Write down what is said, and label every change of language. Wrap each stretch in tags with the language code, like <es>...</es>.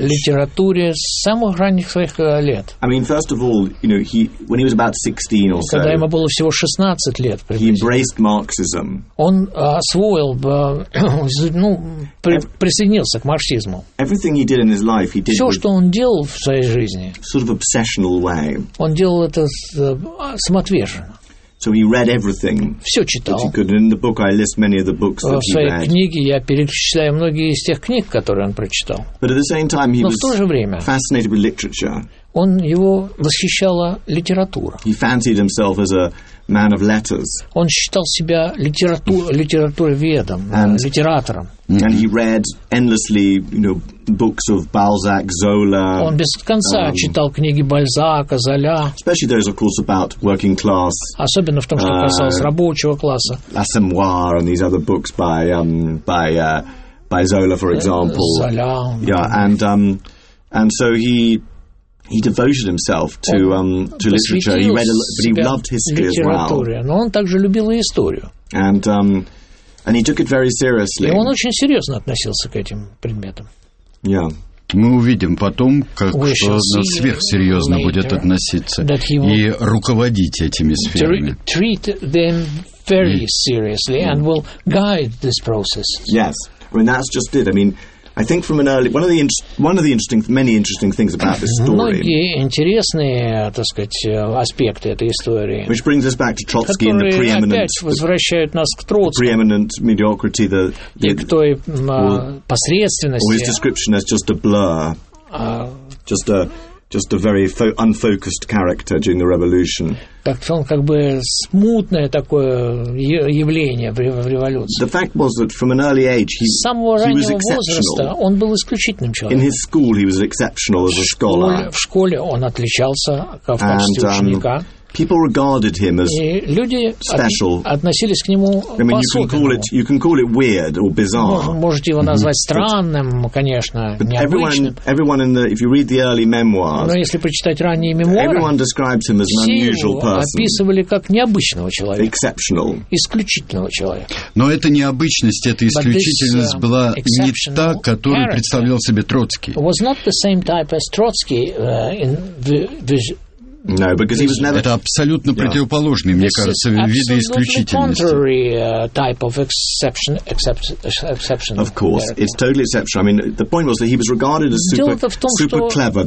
<ru>Литературе с самых ранних своих лет.</ru> <en>I mean, first of all, you know, when he was about 16 or so.</en> <ru>Когда ему было всего 16 лет, примерно.</ru> <en>He embraced Marxism.</en> <ru>Он освоил, ну, присоединился к марксизму.</ru> <en>Everything he did in his life, he did.</en> <ru>Все, что он делал в своей жизни.</ru> <en>Sort of obsessional way.</en> <ru>Он делал это самоотверженно.</ru> <en>So he read everything.</en> <ru>Все читал.</ru> <en>That he could. In the book, I list many of the books that he read.</en> <ru>В своей книге я перечисляю многие из тех книг, которые он прочитал.</ru> <en>But at the same time, he was fascinated with literature.</en> <ru>Он его восхищала литература.</ru> <en>He fancied himself as a man of letters.</en> <ru>Он считал себя литературоведом, литератором.</ru> <en>And he read endlessly, you know, books of Balzac, Zola.</en> <ru>Он без конца читал книги Бальзака, Золя.</ru> <en>Especially those, of course, about working class.</en> <ru>Особенно в том, что касалось рабочего класса.</ru> <en>L'Assommoir and these other books by Zola, for example.</en> <ru>Золя.</ru> <en>Yeah, and so he devoted himself to literature. He read, but he loved history as well.</en> <ru>Но он также любил и историю.</ru> <en>And he took it very seriously.</en> <ru>И он очень серьезно относился к этим предметам.</ru> <en>Yeah.</en> <ru>Мы увидим потом, как что сверхсерьезно</ru> <en>later,</en> <ru>будет относиться и руководить этими сферами.</ru> <en>Treat them very seriously and will guide this process. Yes. I mean, that's just it. I mean, I think from an early one of the interesting many interesting things about this story.</en> <ru>Многие интересные, так сказать, аспекты этой истории.</ru> <en>Which brings us back to Trotsky and the preeminent.</en> <ru>Опять возвращают нас к Троцкому.</ru> <en>The preeminent mediocrity, the</en> <ru>и к той посредственности.</ru> <en>Or his description as just a blur. Just a very unfocused character during the revolution.</en> <ru>Так он как бы смутное такое явление в революции.</ru> <en>The fact was that from an early age he was exceptional.</en> <ru>С самого раннего возраста он был исключительным человеком.</ru> <en>In his school he was exceptional as a scholar.</en> <ru>В школе он отличался как в качестве ученика.</ru> <en>People regarded him as special.</en> <ru>Относились к нему по-особенному.</ru> <en>I mean, you can call it weird or bizarre.</en> <ru>Можете его назвать странным, конечно, необычным.</ru> <en>Everyone in the, if you read the early memoirs,</en> <ru>но если прочитать ранние мемуары,</ru> <en>everyone describes him as an unusual person.</en> <ru>Все описывали как необычного человека.</ru> <en>Exceptional.</en> <ru>Исключительного человека. Но эта необычность, эта исключительность была не та, которую представлял себе Троцкий.</ru> <en>Was not the same type as Trotsky in the No, because he was never.</en> <ru>Это абсолютно противоположный, мне кажется, виды исключительности.</ru> <en>Contrary type of exception, exception. Of course, it's totally exceptional. I mean, the point was that he was regarded as super clever.</en>